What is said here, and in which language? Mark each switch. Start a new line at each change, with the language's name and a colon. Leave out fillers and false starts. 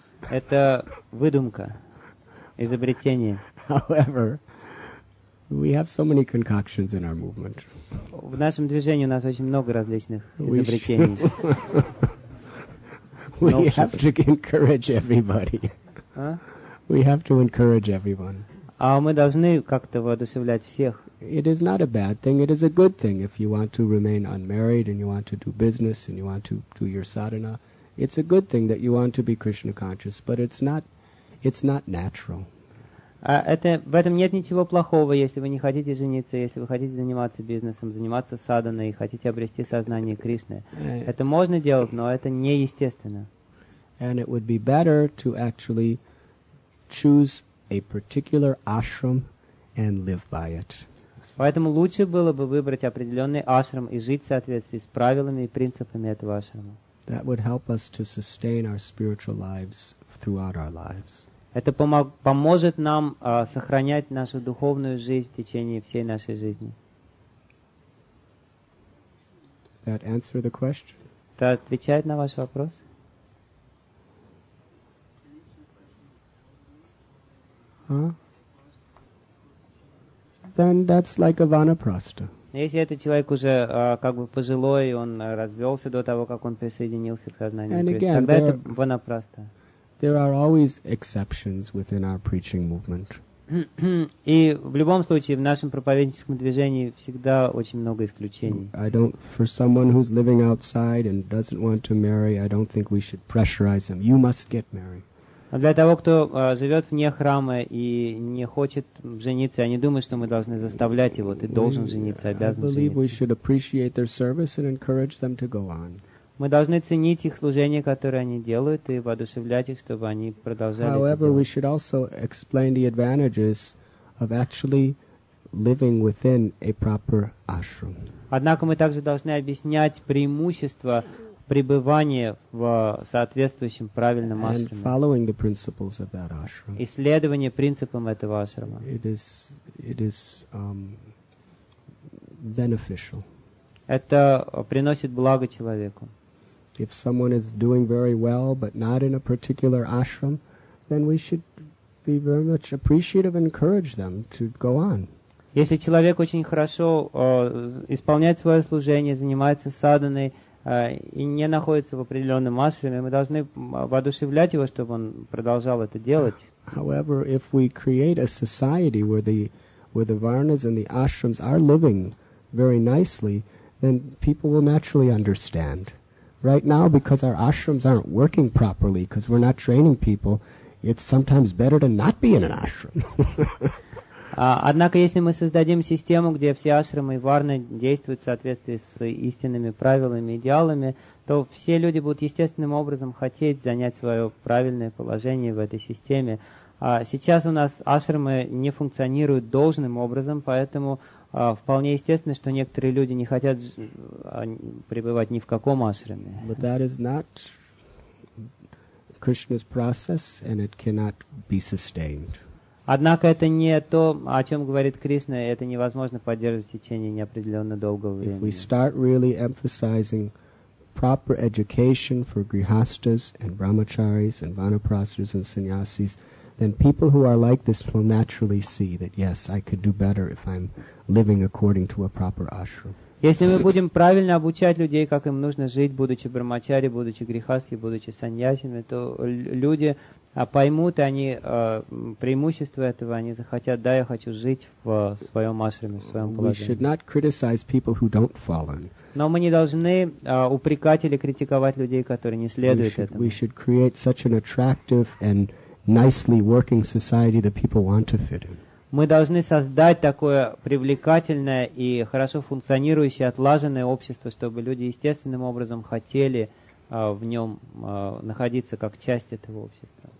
Russian: Это выдумка, изобретение.
English: However, we have so many concoctions in our movement.
Russian: В нашем движении у нас очень много различных изобретений.
English: We have to encourage everybody. We have to encourage everyone.
Russian: А мы должны как-то воодушевлять всех.
English: it is not a bad thing. It is a good thing if you want to remain unmarried and you want to do business and you want to do your sadhana. It's a good thing that you want to be Krishna conscious, but it's not natural.
Russian: Это, в этом нет ничего плохого, если вы не хотите жениться, если вы хотите заниматься бизнесом, заниматься садханой и хотите обрести сознание Кришны. Это можно делать, но это не естественно.
English: And it would be better to actually choose a particular ashram and live by it.
Russian: Поэтому лучше было бы выбрать определенный ашрам и жить в соответствии с правилами и принципами этого ашрама.
English: That would help us to sustain our spiritual lives throughout our lives.
Russian: Это поможет нам сохранять нашу духовную жизнь в течение всей нашей жизни.
English: Does that answer the question?
Russian: Это отвечает на ваш вопрос?
English: Then that's like a vanaprastha.
Russian: Если этот человек уже как бы пожилой, он развелся до того, как он присоединился к сознанию Кришны, тогда это ванапраста.
English: There are always exceptions within our preaching movement.
Russian: И в любом случае в нашем проповедническом движении всегда очень много исключений.
English: I don't, for someone who's living outside and doesn't want to marry, I don't think we should pressurize them. You must get married.
Russian: А для того, кто живет вне храма и не хочет жениться, я не думаю, что мы должны заставлять его. Ты должен жениться, обязан жениться.
English: I believe we should appreciate their service and encourage them to go on.
Russian: Мы должны ценить их служение, которое они делают, и воодушевлять их, чтобы они продолжали.
English: However, we should also explain the advantages of actually living within a proper ashram.
Russian: Однако мы также должны объяснять преимущества пребывания в соответствующем правильном ашраме.
English: And following the principles of that ashram.
Russian: Исследование принципам этого ашрама.
English: It is beneficial.
Russian: Это приносит благо человеку.
English: If someone is doing very well, but not in a particular ashram, then we should be very much appreciative and encourage them to go on.
Russian: Если человек очень хорошо исполняет свое служение, занимается садханой и не находится в определенном ашраме, мы должны воодушевлять его, чтобы он продолжал это делать.
English: However, if we create a society where the varnas and the ashrams are living very nicely, then people will naturally understand. Right now, because our ashrams aren't working properly, because we're not training people, it's sometimes better to not be in an ashram.
Russian: Однако, если мы создадим систему, где все ашрамы и варны действуют в соответствии с истинными правилами и идеалами, то все люди будут естественным образом хотеть занять свое правильное положение в этой системе. Сейчас у нас ашрамы не функционируют должным образом, поэтому вполне естественно, что некоторые люди не хотят пребывать ни в каком ашраме.
English: But that is not Krishna's process, and it cannot be sustained.
Russian: Однако это не то, о чем говорит Кришна, это невозможно поддерживать в течение неопределенно долгого времени.
English: If we start really emphasizing proper education for grihasthas and brahmacharis and vanaprasthas and sannyasis, then people who are like this will naturally see that, yes, I could do better if I'm living according to a proper ashram.
Russian: Если мы будем правильно обучать людей, как им нужно жить, будучи брахмачари, будучи грихасхи, будучи саньясинами, то люди поймут, и они преимущества этого, они захотят, да, я хочу жить в своем ашраме, в своем положении.
English: We should not criticize people who don't follow.
Russian: Но мы не должны упрекать или критиковать людей, которые не следуют этому.
English: We should create such an attractive and nicely working society that people want to fit in.
Russian: Мы должны создать такое привлекательное и хорошо функционирующее, отлаженное общество, чтобы люди естественным образом хотели в нем находиться как часть этого общества.